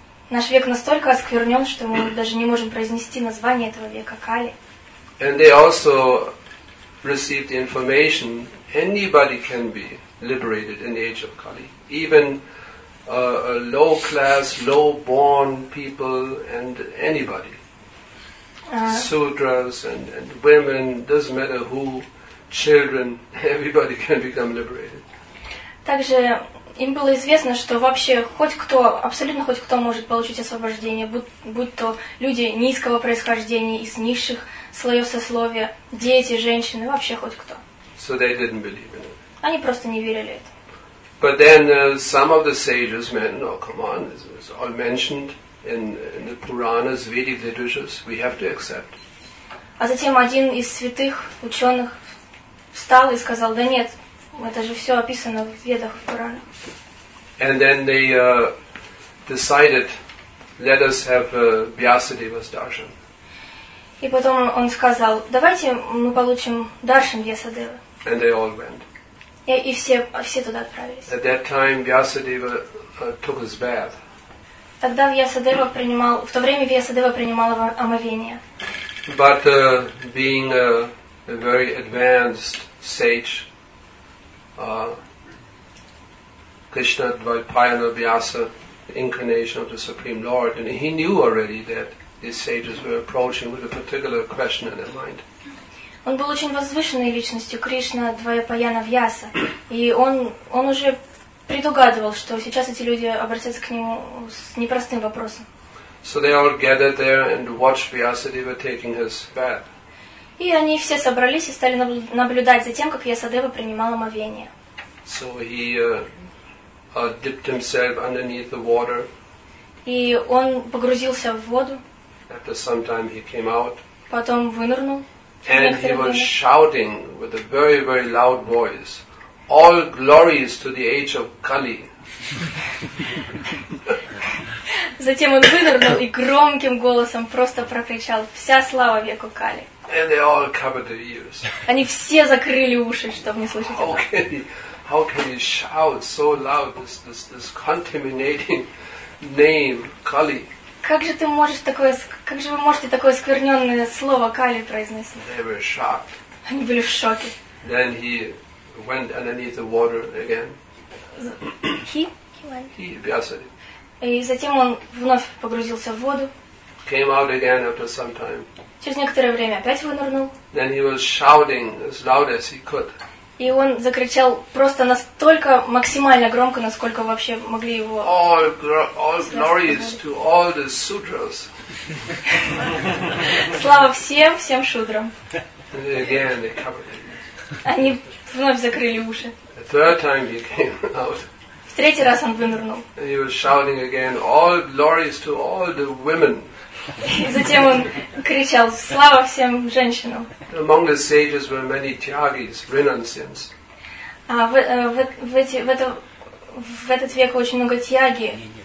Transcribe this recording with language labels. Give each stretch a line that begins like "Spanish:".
Russian: Наш век настолько осквернен, что мы даже не можем произнести название этого века Кали.
English: And they also received the information anybody can be liberated in the age of Kali. Even a low class, low born people and anybody. Sudras and women, doesn't matter who, children, everybody can become liberated.
Russian: Также им было известно, что вообще хоть кто, абсолютно хоть кто может получить освобождение, будь то люди низкого происхождения, из низших слоев сословия, дети, женщины, вообще хоть кто.
English: So they didn't believe in it.
Russian: Они просто не верили в это.
English: But then some of the sages meant, no, come on, this is all mentioned in the Puranas, Vedic literatures, we have to accept.
Russian: А затем один из святых ученых встал и сказал, да нет, это же все описано в Ведах, в Куранах.
English: And then they decided, let us have Vyasadeva's darshan.
Russian: И потом он сказал, давайте мы получим даршан Вьясадевы.
English: And they all went.
Russian: И все туда отправились.
English: At that time Vyasadeva took his bath.
Russian: Тогда Вьясадева принимал, в то время Вьясадева принимал омовение.
English: But being a very advanced sage, Krishna Dvaipayana Vyasa, the incarnation of the Supreme Lord, and he knew already that these sages were approaching with a particular question in their mind.
Russian: Он был очень возвышенной личностью, Кришна Двайпаяна Вьяса, и он уже предугадывал, что сейчас эти люди обратятся к нему с непростым вопросом.
English: So they all gathered there and watched Vyasadeva taking his bath.
Russian: И они все собрались и стали наблюдать за тем, как Вьясадева принимал омовение.
English: So he dipped himself underneath the water.
Russian: И он погрузился в воду.
English: After some time he came out.
Russian: Потом вынырнул.
English: And he was shouting with a very, very loud voice, "All glories to the age of Kali."
Russian: Затем он вынырнул и громким голосом просто прокричал: "Вся слава веку Кали!"
English: And they all covered their ears.
Russian: Они все закрыли уши, чтобы не слышать.
English: How can he shout so loud this contaminating name Kali?
Russian: Как же вы можете такое оскверненное слово Кали произнести?
English: They were shocked.
Russian: Они были в шоке.
English: Then he went underneath the water again. He went.
Russian: И затем он вновь погрузился в воду.
English: Came out again after some time.
Russian: Через некоторое время опять вынырнул.
English: Then he was shouting as loud as he could.
Russian: И он закричал просто настолько максимально громко, насколько вообще могли его.
English: All glories to all the sudras.
Russian: Слава всем шудрам.
English: Again they covered their ears.
Russian: Они вновь закрыли уши.
English: The third time he came out.
Russian: В третий раз он вынырнул.
English: And he was shouting again, all glories to all the women.
Russian: И затем он кричал: «Слава всем женщинам!»
English: Among the sages were many tyagis, renunciants.
Russian: В этот век очень много тьяги.